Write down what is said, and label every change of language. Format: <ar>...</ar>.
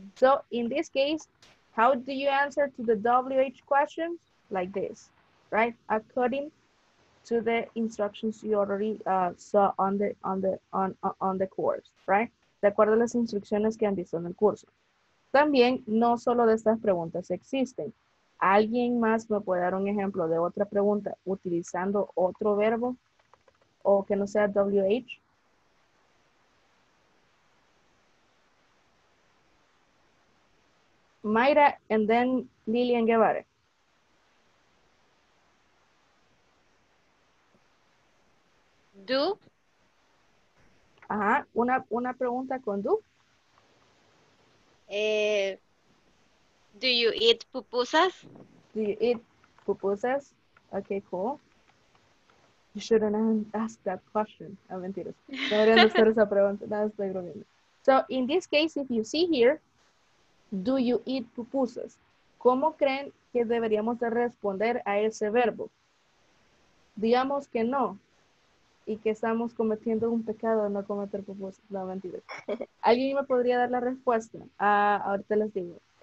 <en>So, in this case, how do you answer to the WH question? Like this, right? According to the instructions you already saw on the course, right?</en> <es>De acuerdo a las instrucciones que han visto en el curso. También, no solo de estas preguntas existen. ¿Alguien más me puede dar un ejemplo de otra pregunta utilizando otro verbo? O que no sea WH.</es> <en>Mayra, and then Lilian Guevara. Do.</en> <es>Ajá, una pregunta con do.</es> <en>Do you eat pupusas? Do you eat pupusas? Okay, cool. You shouldn't ask that question.</en> <es>Ah, mentiras. No deberían hacer esa pregunta. Nada, estoy grabando.</es> <en>So, in this case, if you see here, do you eat pupusas?</en> <es>¿Cómo creen que deberíamos de responder a ese verbo? Digamos que no. Y que estamos cometiendo un pecado de no cometer pupusas. No, mentiras. ¿Alguien me podría dar la respuesta? Ahorita les digo.</es>